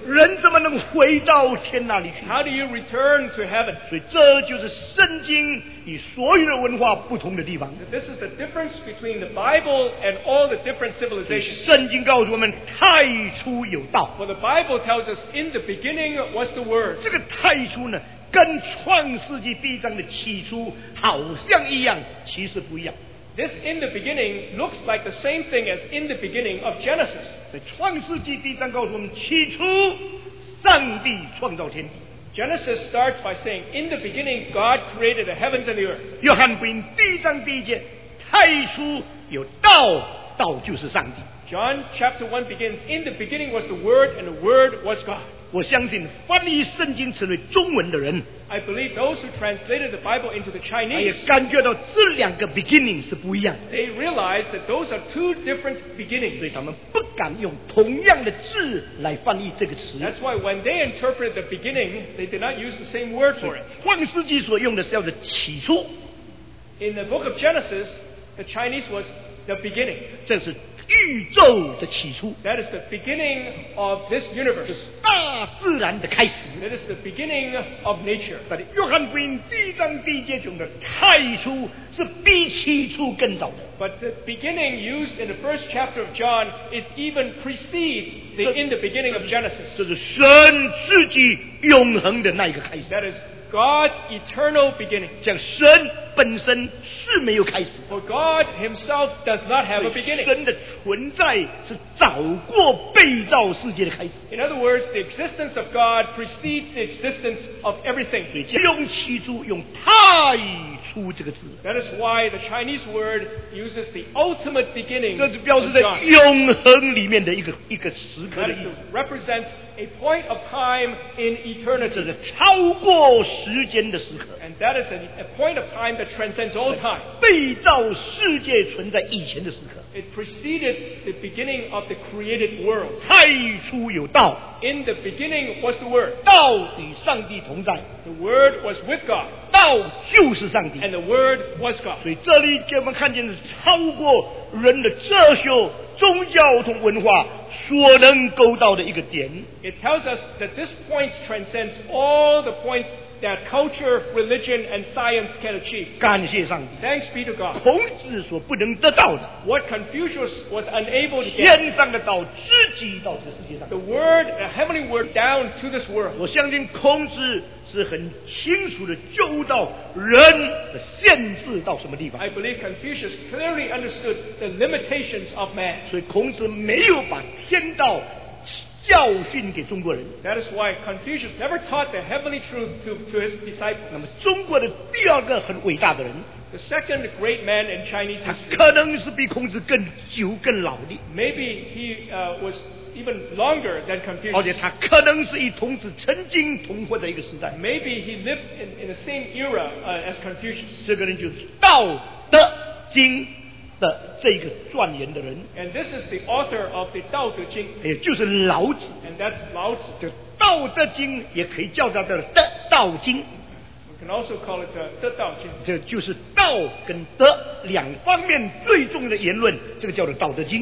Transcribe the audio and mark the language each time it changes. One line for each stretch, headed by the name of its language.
Chinese: 人怎么能回到天那里去？
English: How do you return to heaven?
Chinese: 所以这就是圣经与所有的文化不同的地方。
English: This is the difference between the Bible and all the different civilizations.
Chinese: 圣经告诉我们，太初有道。
English: For the Bible tells us, in the beginning was the word.
Chinese: 这个太初呢？跟创世纪第一章的起初好像一样，其实不一样。
English: This in the beginning looks like the same thing as in the beginning of Genesis.
Chinese: 在创世纪第一章告诉我们，起初上帝创造天地。
English: Genesis starts by saying, in the beginning, God created the heavens and the earth.
Chinese: 约翰福音第一章第一节，太初有道，道就是上帝。
English: John chapter 1 begins, in the beginning was the Word, and the Word was God.
Chinese: 我相信翻译圣经成为中文的人
English: I believe those who translated the Bible into the Chinese
Chinese: 也感觉到这两个 beginning 是不一样
English: They realize that those are two different beginnings
Chinese: 所以他们不敢用同样的字来翻译这个词
English: That's why when they interpreted the beginning they did not use the same word for it
Chinese: 创世纪所用的叫做起初
English: In the book of Genesis the Chinese was the beginning
Chinese: 这是宇宙的起初
English: That is the beginning of this universe
Chinese: 是大自然的开始
English: That is the beginning of nature
Chinese: 但是约翰福音第一章第一节中的太初是比起初更早的
English: But the beginning used in the first chapter of John is even precedes the in the beginning of Genesis
Chinese: 这是神自己永恒的那一个开始
English: That is God's eternal beginning
Chinese: 像神本身是没有开始
English: For God himself does not have a beginning
Chinese: 神的存在是早过被造世界的开始
English: In other words, the existence of God precedes the existence of everything
Chinese: 所以用起初用太初这个字
English: That is why the Chinese word uses the ultimate beginning
Chinese: 这就表示在永恒里面的一个时刻
English: That is to represent a point of time in eternity
Chinese: 这是超过时间的时刻
English: And that is a point of time that transcends all time.
Chinese: 被造世界存在以前的时刻。
English: It preceded the beginning of the created world.
Chinese: 太初有道。
English: In the beginning was the word.
Chinese: 道与上帝同在。
English: The word was with God.
Chinese: 道就是上帝。
English: And the word was God.
Chinese: 所以这里给我们看见是超过人的哲学宗教和文化所能够到的一个点。
English: It tells us that this point transcends all the points that culture, religion, and science can achieve.
Chinese: 感谢上帝。
English: Thanks be to God.
Chinese: 孔子所不能得到的。
English: What Confucius was unable to get.
Chinese: 天上的道直击到这世界上。
English: The word, the heavenly word down to this world.
Chinese: 我相信孔子是很清楚的揪到人的限制到什么地方。
English: I believe Confucius clearly understood the limitations of man.
Chinese: 所以孔子没有把天道教训给中国人。
English: That is why Confucius never taught the heavenly truth to his disciples.
Chinese: 那么中国的第二个很伟大的人
English: The second great man in Chinese history.
Chinese: 他可能是比孔子更久更老的。
English: Maybe he was even longer than Confucius.
Chinese: 而且他可能是与孔子曾经同过的一个时代。
English: Maybe he lived in the same era as Confucius.
Chinese: 这个人就是道德经的这个撰言的人
English: and this is the author of the 道德经
Chinese: 也就是老子
English: and that's 老子
Chinese: 这道德经也可以叫它的德道经
English: we can also call it the 德道经
Chinese: 这就是道跟德两方面最重要的言论这个叫做道德经